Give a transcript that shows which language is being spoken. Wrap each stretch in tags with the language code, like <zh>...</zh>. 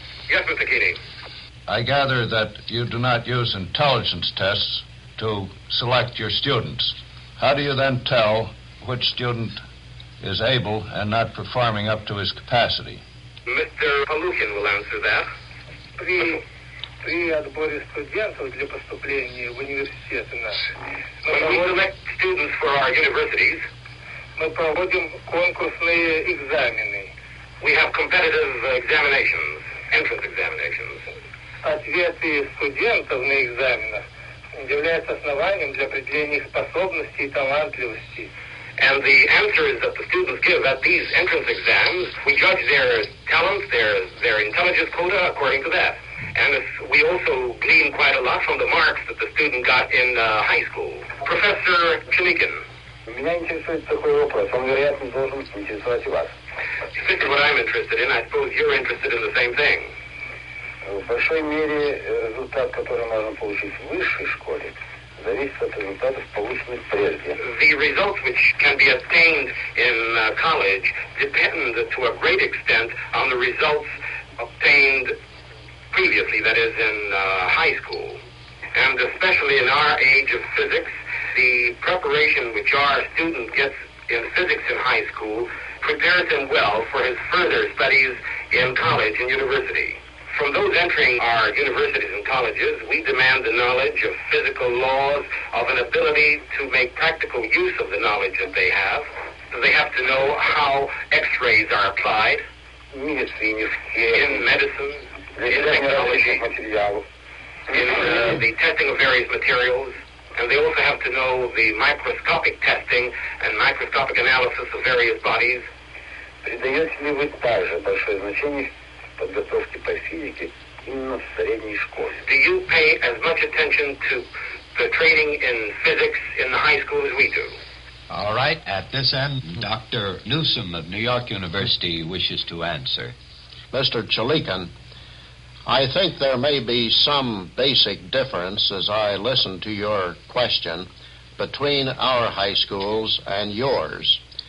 <en>Yes, Mr. Keeney. I gather that you do not use intelligence tests to select your students. How do you then tell which student is able and not performing up to his capacity? Mr. Polukin will answer that.</en> <ru>При отборе студентов для поступления в университеты наши,</ru> <en>when we select students for our universities,</en> <ru>мы проводим конкурсные экзамены.</ru> <en>We have competitive examinations, entrance examinations.</en> <ru>Ответы студентов на экзаменах являются основанием для определения способностей и талантливости.</ru> <en>And the answers that the students give at these entrance exams, we judge their talents, their intelligence quota according to that. And we also glean quite a lot from the marks that the student got in high school. Professor Chimikin.</en> <ru>Меня интересует такой вопрос. Он, вероятно, должен интересовать и вас.</ru> <en>This is what I'm interested in. I suppose you're interested in the same thing.</en> <ru>В большой мере результат, который можно получить в высшей школе, зависит от результатов, полученных прежде.</ru> <en>The results which can be obtained in college depend to a great extent on the results obtained previously, that is, in high school. And especially in our age of physics, the preparation which our student gets in physics in high school prepares him well for his further studies in college and university. From those entering our universities and colleges, we demand the knowledge of physical laws, of an ability to make practical use of the knowledge that they have. They have to know how X-rays are applied in medicine, in technology, in the testing of various materials, and they also have to know the microscopic testing and microscopic analysis of various bodies.</en> <ru>Придаете ли вы также большое значение подготовке по физике именно в средней школе?</ru> <en>Do you pay as much attention to the training in physics in the high school as we do? All right, at this end, Dr. Newsom of New York University wishes to answer. Mr. Chalikin, I think there may be some basic difference as I listen to your question between our high schools and yours.</en>